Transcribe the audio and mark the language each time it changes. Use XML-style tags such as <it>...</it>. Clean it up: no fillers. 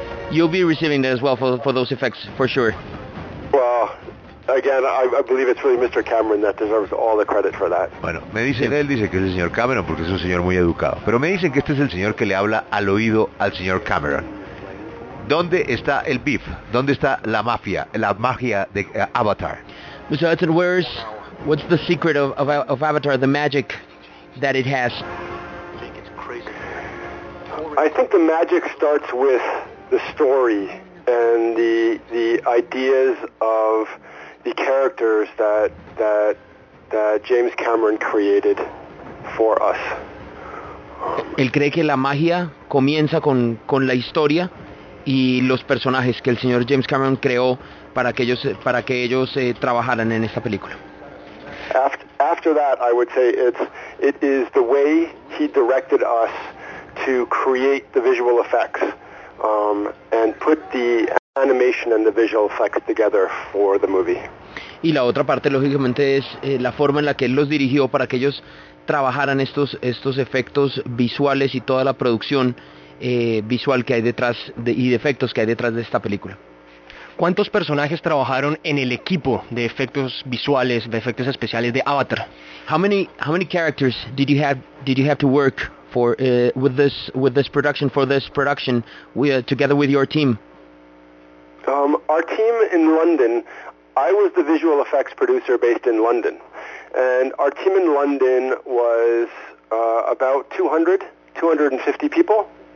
<en>You'll be receiving that as well for those effects, for sure. Well, again, I believe it's really Mr. Cameron that deserves all the credit for that.</en> <es>Bueno, me dicen, él dice que es el señor Cameron porque es un señor muy educado. Pero me dicen que este es el señor que le habla al oído al señor Cameron. ¿Dónde está el beef? ¿Dónde está la mafia, la magia de Avatar?</es> <en>Mr. Hudson, what's the secret of Avatar, the magic that it has? I think the magic starts with the story and the ideas of the characters that James Cameron created for us.</en> <es>Él cree que la magia comienza con la historia y los personajes que el señor James Cameron creó para que ellos trabajaran en esta película.</es> <en>After that, I would say it is the way he directed us to create the visual effects and put the animation and the visual effects together for the movie.</en> <es>Y la otra parte lógicamente es la forma en la que él los dirigió para que ellos trabajaran estos efectos visuales y toda la producción visual que hay detrás y de efectos que hay detrás de esta película. ¿Cuántos personajes trabajaron en el equipo de efectos visuales, de efectos especiales de Avatar?</es> <en>How many characters did you have to work for with this production together with your team? Our team in London, I was the visual effects producer based in London. And our team in London was about 250 people.</en>